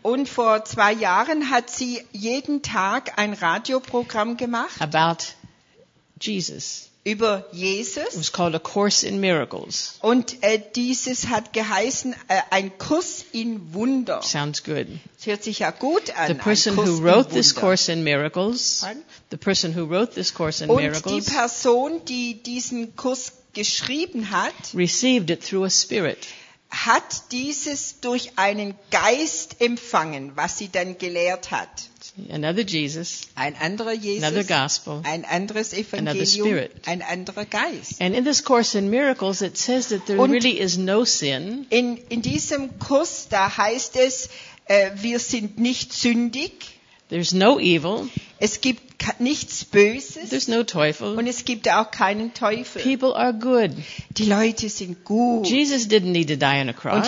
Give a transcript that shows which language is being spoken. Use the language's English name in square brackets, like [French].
[German] Und vor zwei Jahren hat sie jeden Tag ein Radioprogramm gemacht. [English] About Jesus. [German] Über Jesus. [English] It was called A Course in Miracles. [German] Und dieses hat geheißen ein Kurs in Wunder. [English] Sounds good. [German] Es hört sich ja gut an. [English] The person who wrote this course in miracles. The person who wrote this course in miracles. [German] Und die Person, die diesen Kurs geschrieben hat, [English] received it through a spirit. [German] Hat dieses durch einen Geist empfangen, was sie dann gelehrt hat. [English] Another Jesus, [German] ein anderer Jesus, [English] another gospel, [German] ein anderes Evangelium, [English] another spirit. [German] Ein anderer Geist. [English] And in this course in miracles, it says that there [German] Und [English] really is no sin. [German] In diesem Kurs, da heißt es, wir sind nicht sündig. [English] There's no evil. [German] Es gibt nichts Böses. [English] There's no Teufel. [German] Und es gibt auch keinen Teufel. [English] People are good. [German] Die Leute sind gut. [English] Jesus didn't need to die on a cross.